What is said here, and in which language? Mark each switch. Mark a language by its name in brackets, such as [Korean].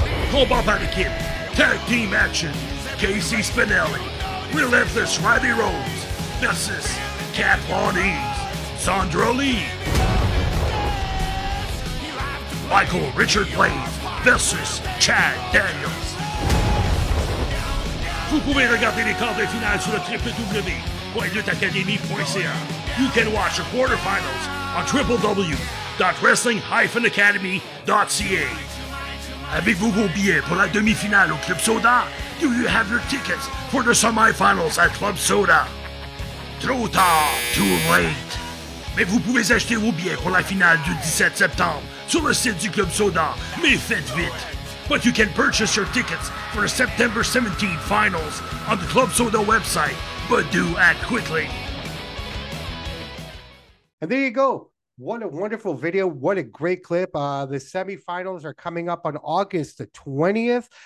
[French] Combat par équipe, tag team action, Casey Spinelli, Relentless Riley Rhodes versus Kat Von Eves, Sandra Lee, Michael Richard Blaine versus Chad Daniels. Vous pouvez regarder les quarts de finale sur le www. [English] You can watch the quarterfinals on www.wrestling-academy.ca. [French] Avez-vous vos billets pour la demi-finale au Club Soda? [English] Do you have your tickets for the semi-finals at Club Soda? [French] Trop tard, [English] too late. [French] Mais vous pouvez acheter vos billets pour la finale du 17 septembre sur le site du Club Soda. Mais faites vite. [English] but you can purchase your tickets for the September 17 finals on the Club Soda website, but do act quickly. And there you go. What a wonderful video. What a great clip. The semifinals are coming up on August the 20th.